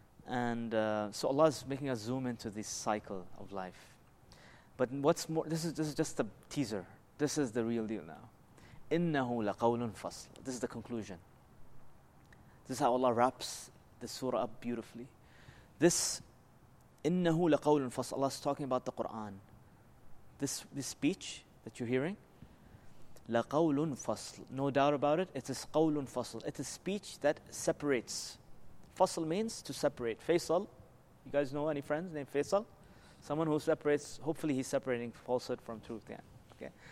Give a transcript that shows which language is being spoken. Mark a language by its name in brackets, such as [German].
[English] And so Allah is making us zoom into this cycle of life. But what's more, this is just a teaser. This is the real deal now. [Arabic] إِنَّهُ لَقَوْلٌ فَصْلٌ. [English] This is the conclusion. This is how Allah wraps the surah up beautifully. This, [Arabic] إِنَّهُ لَقَوْلٌ فَصْلٌ. [English] Allah is talking about the Qur'an. This speech that you're hearing, [Arabic] لَقَوْلٌ فَصْلٌ. [English] No doubt about it, it is [Arabic] قَوْلٌ فَصْلٌ. [English] It is speech that separates. Fasl means to separate. Faisal, you guys know any friends named Faisal? Someone who separates, hopefully he's separating falsehood from truth. Yeah. Okay.